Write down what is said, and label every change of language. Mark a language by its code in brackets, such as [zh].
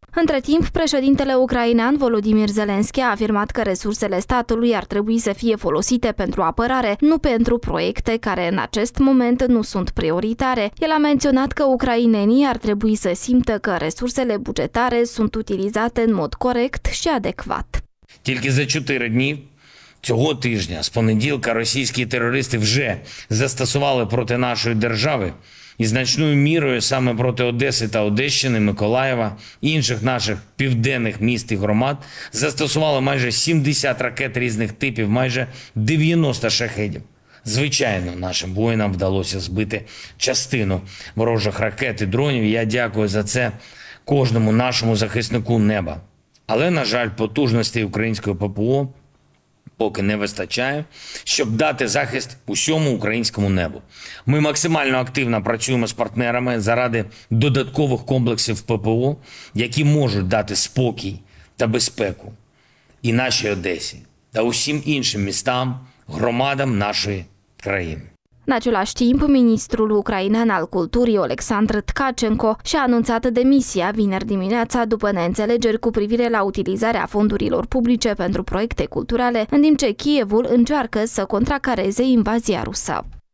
[ro] Între timp, președintele ucrainean Volodymyr Zelensky a afirmat că resursele statului ar trebui să fie folosite pentru apărare, nu pentru proiecte care în acest moment nu sunt prioritare. El a menționat că ucrainenii ar trebui să simtă că resursele bugetare sunt utilizate în mod corect și adecvat. [uk] Тільки за 4 дні цього тижня, з понеділка, російські терористи вже застосували проти нашої держави і значною мірою саме проти Одеси та Одещини, Миколаєва, інших наших південних міст і громад застосували майже 70 ракет різних типів, майже 90 шахедів. Звичайно, нашим воїнам вдалося збити частину ворожих ракет і дронів. Я дякую за це кожному нашому захиснику неба. Але, на жаль, потужностей української ППО поки не вистачає, щоб дати захист усьому українському небу. Ми максимально активно працюємо з партнерами заради додаткових комплексів ППО, які можуть дати спокій та безпеку і нашій Одесі, та усім іншим містам, громадам нашої країни. [ro] În același timp, ministrul ucrainean al culturii, Oleksandr Tkachenko, și-a anunțat demisia vineri dimineața după neînțelegeri cu privire la utilizarea fondurilor publice pentru proiecte culturale, în timp ce Kievul încearcă să contracareze invazia rusă.